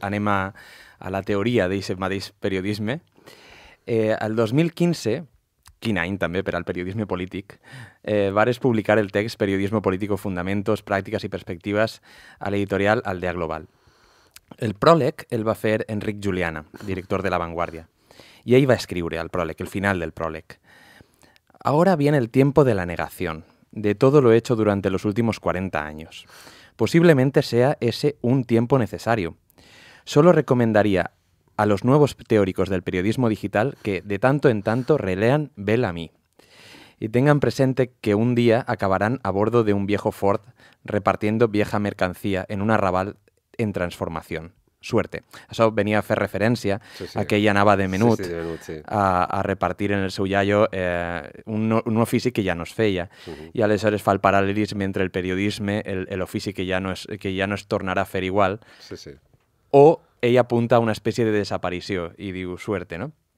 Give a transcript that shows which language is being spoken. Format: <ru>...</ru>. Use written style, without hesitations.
<ca>Anem a la teoria d'aquest mateix periodisme. El 2015, quin any també per al periodisme polític, vares publicar el text Periodisme Político, Fundamentos, Pràctiques i Perspectives a l'editorial Aldea Global. El pròleg el va fer Enric Juliana, director de La Vanguardia. I ell va escriure el pròleg, el final del pròleg.</ca> <es>Ahora viene el tiempo de la negación, de todo lo hecho durante los últimos 40 años. Posiblemente sea ese un tiempo necesario. Solo recomendaría a los nuevos teóricos del periodismo digital que de tanto en tanto relean Bellamy y tengan presente que un día acabarán a bordo de un viejo Ford repartiendo vieja mercancía en un arrabal en transformación. Suerte.</es> <ca>Això venia a fer referència a que ell anava de menut, a repartir en el seu iaio un ofici que ja no es feia. I aleshores fa el paral·lelisme entre el periodisme, l'ofici que ja no es tornarà a fer igual, o ell apunta a una espècie de desaparició i diu suerte, no?</ca>